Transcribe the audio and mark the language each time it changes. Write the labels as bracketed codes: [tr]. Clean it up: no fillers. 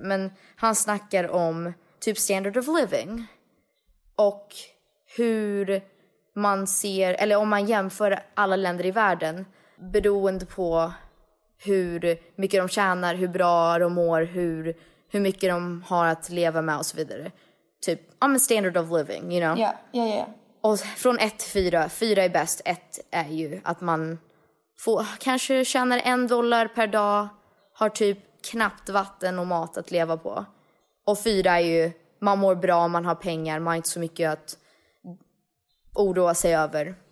[sv] Men han snackar om typ [en] standard of living [sv] och hur man ser, eller om man jämför alla länder i världen beroende på hur mycket de tjänar, hur bra de mår, hur mycket de har att leva med och så vidare. Typ, [en] I'm a standard of living, you know? [sv] Ja, ja, ja. Och från 1-4, 4 är bäst. 1 är ju att man får kanske tjänar $1 per dag. Har typ knappt vatten och mat att leva på. Och 4 är ju man mår bra, man har pengar, man har inte så mycket att oroa sig över.